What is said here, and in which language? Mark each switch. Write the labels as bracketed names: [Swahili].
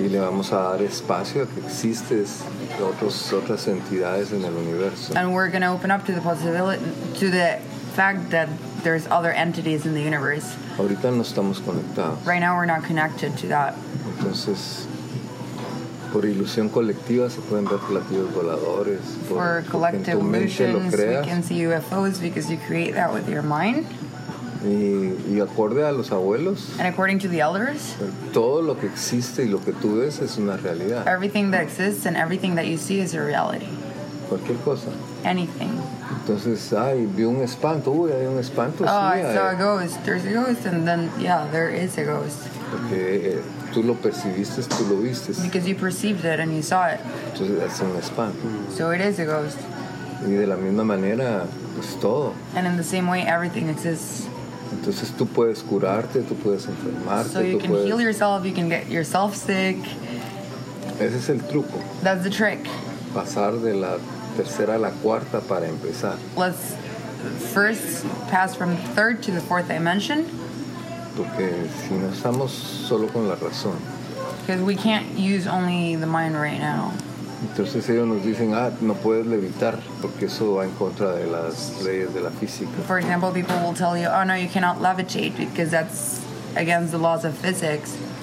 [Spanish] Y le vamos a dar espacio a que existes otras entidades en el universo. [English] And we're gonna open up to the possibility, to the fact that there's other entities in the universe. [Spanish] Ahorita no estamos conectados. [English] Right now we're not connected to that. [Spanish] Entonces, por ilusión colectiva se pueden ver platillos voladores. [English] For collective illusions, we can see UFOs because you create that with your mind. [Spanish] Y acorde a los abuelos, [English] and according to the elders, [Spanish] todo lo que existe y lo que tú ves es una realidad. [English] Everything that exists and everything that you see is a reality. [Spanish] Cualquier cosa. [English] Anything. [Spanish] Entonces, vi un espanto. Uy, hay un espanto. [English] Oh, [Spanish] sí, [English] I saw a ghost. There's a ghost, and then, yeah, there is a ghost. [Spanish] Porque tú lo percibiste, tú lo viste. [English] Because you perceived it and you saw it. [Spanish] Entonces, es un espanto. [English] So it is a ghost. [Spanish] Y de la misma manera, pues todo. [English] And in the same way, everything exists. [Spanish] Entonces tú puedes curarte, tú puedes enfermarte. [English] So you [Spanish] tú [English] can [Spanish] puedes [English] heal yourself, you can get yourself sick. [Spanish] Ese es el truco. [English] That's the trick. [Spanish] Pasar de la tercera a la cuarta para empezar. [English] Let's first pass from the third to the fourth dimension. [Spanish] Porque si no estamos solo con la razón. [English] Because we can't use only the mind right now. [Spanish] Entonces ellos nos dicen, no puedes levitar, porque eso va en contra de las leyes de la física. [English] For example, people will tell you, no, you cannot levitate, because that's against the laws of physics.